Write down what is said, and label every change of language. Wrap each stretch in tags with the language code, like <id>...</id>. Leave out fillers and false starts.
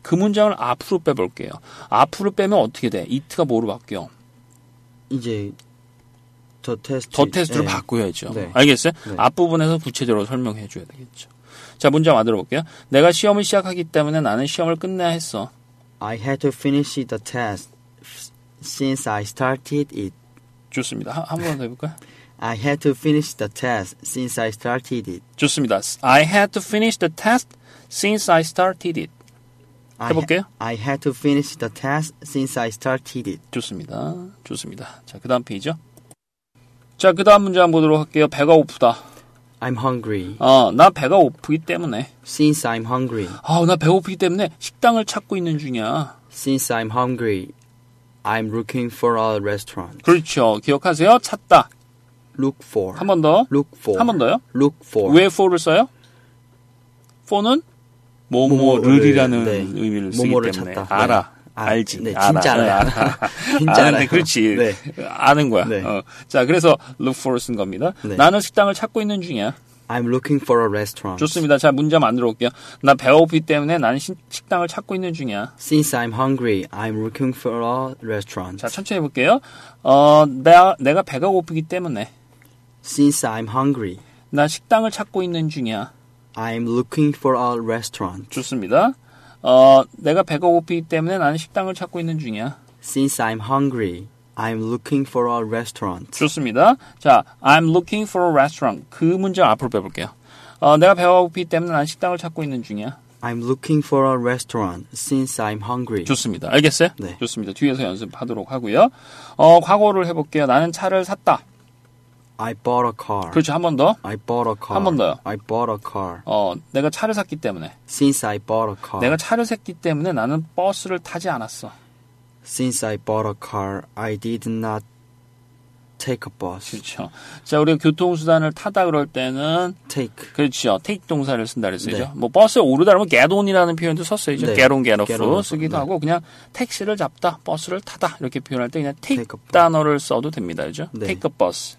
<ko>그 문장을 앞으로 빼볼게요. 앞으로 빼면 어떻게 돼? it가 뭐로 바뀌어? 이제 더 테스트. 더 테스트로 네. 바꿔야죠. 네. 알겠어요? 네. 앞부분에서 구체적으로 설명해 줘야 되겠죠. 자 문장 만들어 볼게요. 내가 시험을 시작하기 때문에 나는 시험을 끝내야 했어.</ko> <en>I had to finish the test since I started it.</en> <ko>좋습니다. 한 번 더 해볼까요?</ko> <en>I had to finish the test since I started it.</en> <ko>좋습니다.</ko> <en>I had to finish the test since I started it.</en> <ko>해볼게요.</ko> <en>I had to finish the test since I started it.</en> <ko>좋습니다. 좋습니다. 자, 그 다음 페이지죠. 자, 그 다음 문장 보도록 할게요. 배가 고프다.</ko> <en>I'm hungry.</en> <ko>나 배가 고프기 때문에.</ko> <en>Since I'm hungry.</en> <ko>나 배가 고프기 때문에 식당을 찾고 있는 중이야.</ko> <en>Since I'm hungry. I'm looking for a restaurant.</en> <ko>그렇죠. 기억하세요. 찾다.</ko> <en>Look for.</en> <ko>한 번 더.</ko> <en>Look for.</en> <ko>한 번 더요.</ko> <en>Look for.</en> <ko>왜 for를 써요? For는 뭐뭐를이라는 네. 의미를 쓰기 때문에. 찾다. 알아. 네. 알지. 네. 진짜 알아. 진짜 알아. 그렇지. 네. 아는 거야. 네. 자, 그래서 look for를 쓴 겁니다. 네. 나는 식당을 찾고 있는 중이야.</ko> <en>I'm looking for a restaurant.</en> <ko>좋습니다. 자, 문제 만들어 볼게요. 나 배고프기 때문에 나는 식당을 찾고 있는 중이야.</ko> <en>Since I'm hungry, I'm looking for a restaurant.</en> <ko>자, 천천히 해볼게요. 내가 배가 고프기 때문에.</ko> <en>Since I'm hungry.</en> <ko>나 식당을 찾고 있는 중이야.</ko> <en>I'm looking for a restaurant.</en> <ko>좋습니다. 내가 배가 고프기 때문에 나는 식당을 찾고 있는 중이야.</ko> <en>Since I'm hungry. I'm looking for a restaurant.</en> <ko>좋습니다. 자,</ko> <en>I'm looking for a restaurant.</en> <ko>그 문장 앞으로 빼볼게요. 내가 배가 고프기 때문에 난 식당을 찾고 있는 중이야.</ko> <en>I'm looking for a restaurant since I'm hungry.</en> <ko>좋습니다. 알겠어요? 네. 좋습니다. 뒤에서 연습하도록 하고요. 과거를 해볼게요. 나는 차를 샀다.</ko> <en>I bought a car.</en> <ko>그렇죠. 한 번 더.</ko> <en>I bought a car.</en> <ko>한 번 더요.</ko> <en>I bought a car.</en> <ko>내가 차를 샀기 때문에.</ko> <en>Since I bought a car.</en> <ko>내가 차를 샀기 때문에 나는 버스를 타지 않았어.</ko> <en>Since I bought a car, I did not take a bus.</en> <ko>그렇죠. 자, 우리가 교통수단을 타다 그럴 때는</ko> <en>take.</en> <ko>그렇죠. take 동사를 쓴다 그랬어요. 네. 뭐 버스에 오르다 그러면 get on이라는 표현도 썼어요. 네. get on, get off 쓰기도 네. 하고 그냥 택시를 잡다, 버스를 타다 이렇게 표현할 때 그냥 take 단어를 써도 됩니다. 그죠? 네. take a bus.</ko>